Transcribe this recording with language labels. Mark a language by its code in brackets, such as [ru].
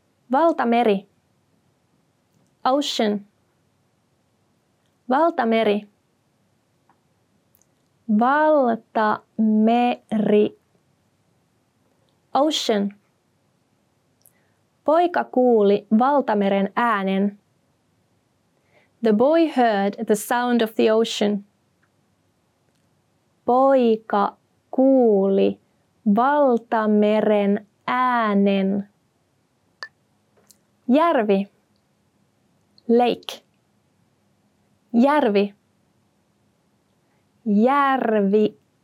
[fi] Valtameri. Ocean. Valtameri. Valtameri. Ocean. Poika kuuli valtameren äänen. [en] The boy heard the sound of the ocean. [fi] Poika kuuli valtameren äänen. Järvi. Lake. Järvi. Järvi.